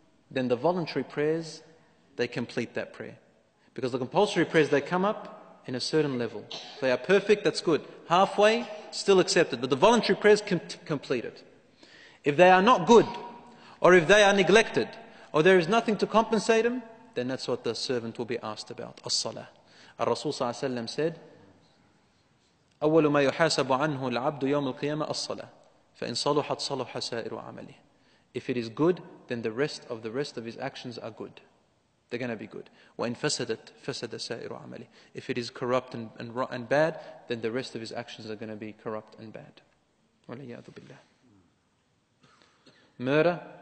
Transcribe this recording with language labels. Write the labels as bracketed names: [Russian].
[English] Then the voluntary prayers, they complete that prayer. Because the compulsory prayers, they come up in a certain level. If they are perfect, that's good. Halfway, still accepted. But the voluntary prayers can complete it. If they are not good, or if they are neglected, or there is nothing to compensate them, then that's what the servant will be asked about. As-salah. [Arabic] Rasul sallallahu alayhi wa said, أول ما يحاسب عنه العبد يوم القيامة الصلاة فإن صلحت صلح سائر عمله. [English] If it is good, then the rest of his actions are good. They're going to be good. [Arabic] وإن فسدت فسد سائر عمله. [English] If it is corrupt and bad, then the rest of his actions are going to be corrupt and bad. [Arabic] وليعذ بالله. [English] Murder.